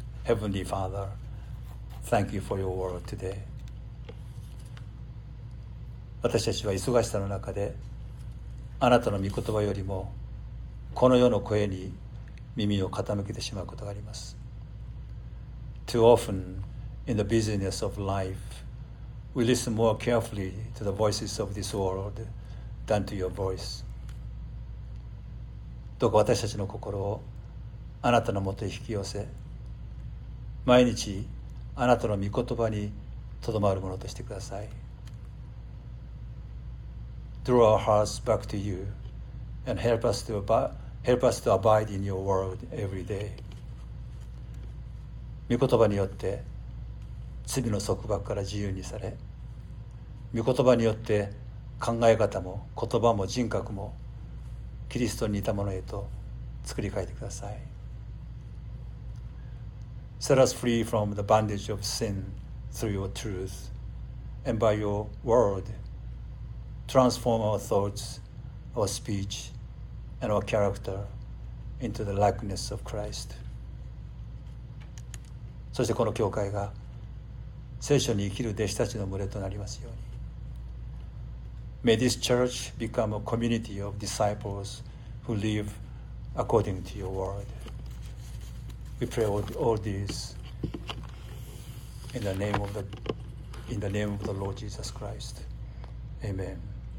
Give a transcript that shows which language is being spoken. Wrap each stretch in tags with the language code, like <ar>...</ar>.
<en>Heavenly Father, Thank you for your word today。</en> <ja>私たちは忙しさの中で、あなたの御言葉よりもこの世の声に耳を傾けてしまうことがあります。</ja> <en>Too often in the busyness of life, we listen more carefully to the voices of this world than to your voice。</en> <ja>どうか私たちの心をあなたのもとへ引き寄せ、毎日あなたの御言葉にとどまるものとしてください。</ja> <en>Draw our hearts back to you and help us to abide in your word every day.</en> <ja>御言葉によって罪の束縛から自由にされ、御言葉によって考え方も言葉も人格もキリストに似たものへと作り変えてください。</ja> <en>Set us free from the bondage of sin through your truth and by your word. Transform our thoughts, our speech, and our character into the likeness of Christ.</en> <ja>そしてこの教会が聖書に生きる弟子たちの群れとなりますように。</ja> <en>May this church become a community of disciples who live according to your word. We pray all this in the name of the Lord Jesus Christ. Amen.</en>